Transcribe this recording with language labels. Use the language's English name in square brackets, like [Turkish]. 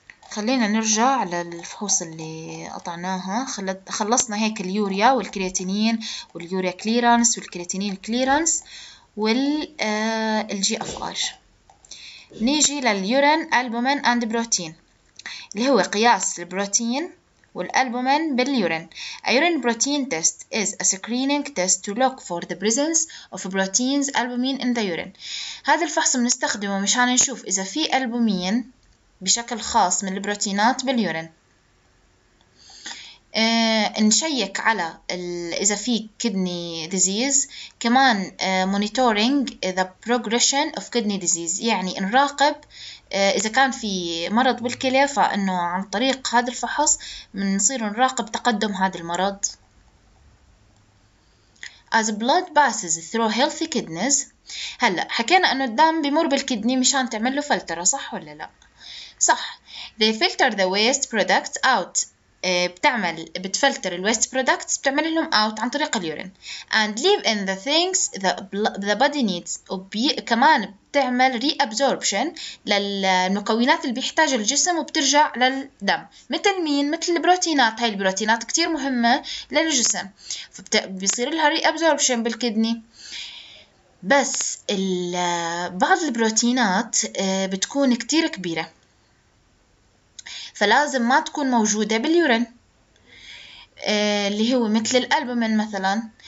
[Arabic] خلينا نرجع للفحوص اللي قطعناها، خلصنا هيك اليوريا والكرياتينين واليوريا كليرانس والكرياتينين كليرانس والجي اف ار. نيجي لليورين ألبومين اند بروتين، اللي هو قياس البروتين والألبومين باليورين. [English] A urine protein test is a screening test to look for the presence of proteins albumin in the urine. [Arabic] هذا الفحص بنستخدمه مشان نشوف اذا في ألبومين بشكل خاص من البروتينات باليورين. نشيك على إذا في kidney disease، كمان [English] monitoring the progression of kidney disease، [Arabic] يعني نراقب إذا كان في مرض بالكلى، فإنه عن طريق هذا الفحص بنصير نراقب تقدم هذا المرض. [English] As blood passes through healthy kidneys، [Arabic] هلا حكينا إنه الدم بيمر بالكدني مشان تعمله فلترة، صح ولا لا؟ صح. [English] They filter the waste products out، [Arabic] بتعمل بتفلتر ال [English] waste products، [Arabic] بتعمل لهم [English] out [Arabic] عن طريق اليورين. [English] And leave in the things the body needs، [Arabic] وكمان بتعمل [English] reabsorption [Arabic] للمكونات اللي بيحتاج الجسم وبترجع للدم. مثل مين؟ مثل البروتينات. هاي البروتينات كتير مهمة للجسم، فبيصير لها reabsorption بالكدني. بس بعض البروتينات بتكون كتير كبيرة، فلازم ما تكون موجودة باليورين، اللي هو مثل الألبومين مثلا.